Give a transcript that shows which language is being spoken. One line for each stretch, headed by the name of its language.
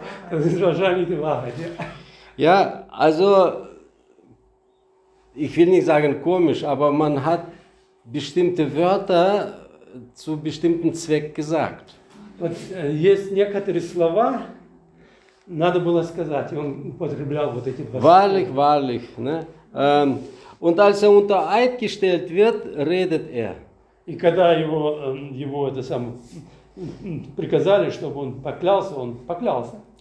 German: Das ist wahrscheinlich die Wahrheit. Ja, also, ich will nicht sagen komisch, aber man hat bestimmte Wörter zu bestimmten Zweck gesagt.
Russian: Вот есть некоторые слова, надо было сказать, и он употреблял вот эти два слова.
German: Wahrlich, wahrlich, ne? Und als er unter Eid gestellt wird, redet er.
Russian: И когда его это самое приказали, чтобы он поклялся, он поклялся.